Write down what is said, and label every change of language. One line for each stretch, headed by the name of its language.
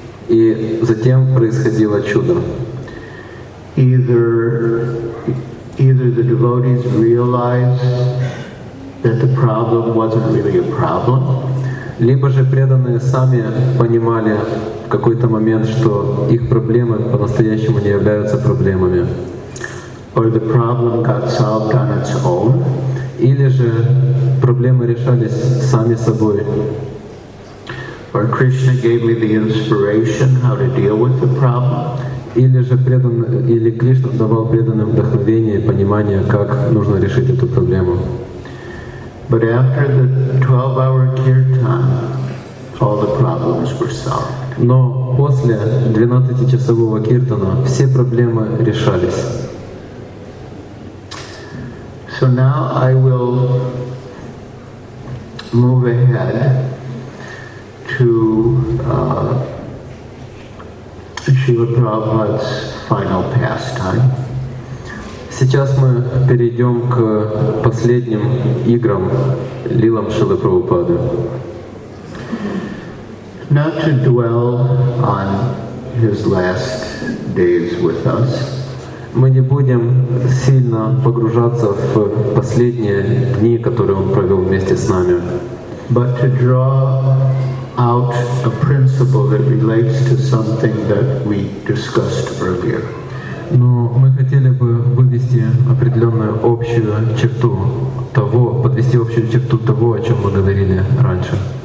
Russian: И затем происходило чудо.
English: Either the devotees realized that the problem wasn't really a problem,
Russian: либо же преданные сами понимали в какой-то момент, что их проблемы по-настоящему не являются проблемами.
English: Or the problem got solved on its own.
Russian: Или же проблемы решались сами собой.
English: Or Krishna gave me the inspiration how to deal with the problem.
Russian: Или Кришна давал преданным вдохновение и понимание, как нужно решить эту проблему.
English: But after the 12-hour kirtan, all the problems were solved.
Russian: Но после 12-часового киртана все проблемы решались.
English: So now I will move ahead to Srila Prabhupada's final pastime.
Russian: Сейчас мы перейдем к последним играм лилам Шрилы Прабхупады.
English: Not to dwell on his last days with us.
Russian: Мы не будем сильно погружаться в последние дни, которые он провел вместе с нами.
English: But to draw out a principle that relates to something that we discussed earlier.
Russian: Но мы хотели бы вывести определенную общую черту того, подвести общую черту того, о чем мы говорили раньше.